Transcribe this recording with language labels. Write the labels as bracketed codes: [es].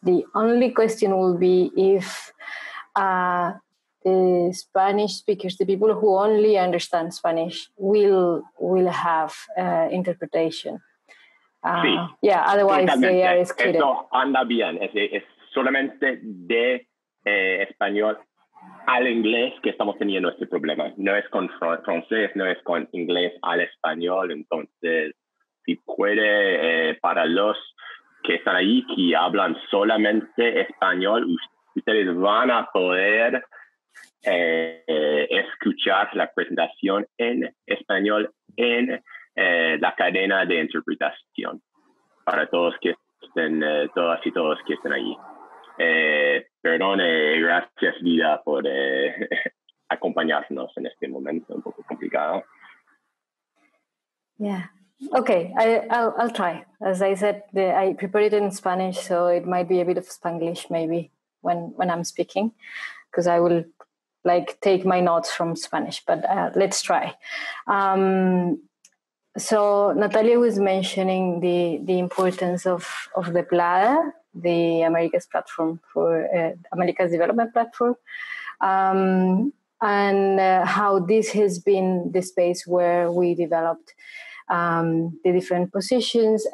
[en] The only question will be if the Spanish speakers, the people who only understand Spanish, will have interpretation. [es] Sí. [en] Yeah, otherwise they are excluded. [es] Eso anda bien. Es solamente de español al inglés que estamos teniendo este problema. No es con francés, no es con inglés al español. Entonces, si puede, para los que están ahí que hablan solamente español, ustedes van a poder escuchar la presentación en español en la cadena de interpretación para todos que estén, todas y todos que estén ahí. Perdone, gracias Lyda por acompañarnos en este momento un poco complicado. [en] Yeah, okay, I'll try. As I said, I prepared it in Spanish, so it might be a bit of Spanglish maybe when I'm speaking, because I will like take my notes from Spanish, but let's try. So Natalia was mentioning the importance of the PLADA, the America's platform for America's development platform, and how this has been the space where we developed the different positions.